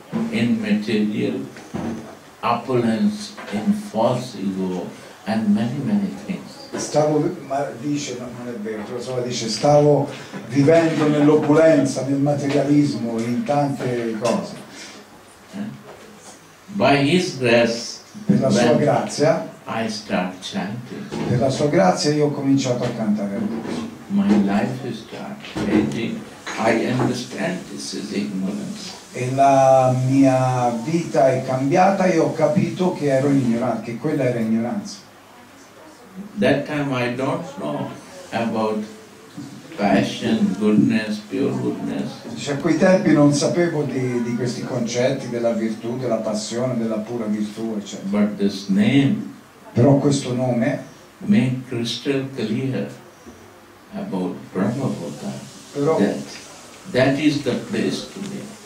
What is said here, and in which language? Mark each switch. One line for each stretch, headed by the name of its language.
English: In material opulence, in false ego, and many, many things.
Italian: Stavo, ma dice, no, non è vero, la sua dice, stavo vivendo nell'opulenza, nel materialismo, in tante cose.
English: By his grace,
Italian: per la sua grazia,
English: I start chanting.
Italian: Per la sua grazia io ho cominciato a cantare.
English: My life is changing. I understand this is ignorance.
Italian: E la mia vita è cambiata e ho capito che ero ignorante, che quella era ignoranza.
English: That time I don't know about passion, goodness, pure goodness.
Italian: Cioè, a quei tempi non sapevo di questi concetti della virtù, della passione, della pura virtù, eccetera.
English: But this name,
Italian: però questo nome,
English: made crystal clear about Brahma Buddha.
Italian: Però
English: that is the place to be.